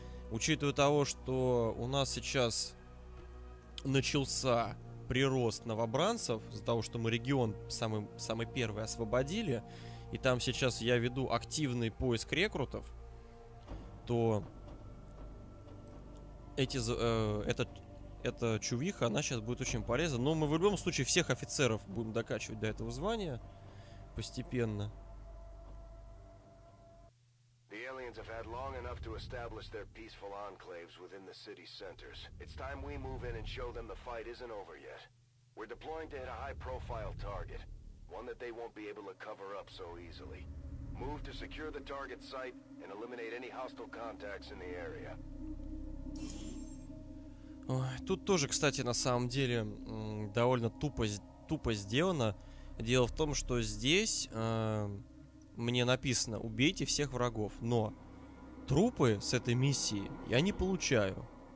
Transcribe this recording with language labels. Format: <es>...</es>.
<ru>Учитывая того, что у нас сейчас начался прирост новобранцев, из-за того, что мы регион самый первый освободили, и там сейчас я веду активный поиск рекрутов, то эта чувиха, она сейчас будет очень полезна. Но мы в любом случае всех офицеров будем докачивать до этого звания постепенно.</ru> <en>Have had long enough to establish their peaceful enclaves within the city centers. It's time we move in and show them the fight isn't over yet. We're deploying to hit a high-profile target, one that they won't be able to cover up so easily. Move to secure the target site and eliminate any hostile contacts in the area.</en> <ru>Ой, тут тоже, кстати, на самом деле довольно тупо сделано. Дело в том, что здесь мне написано: убейте всех врагов, но трупы с этой миссии я не получаю.</ru>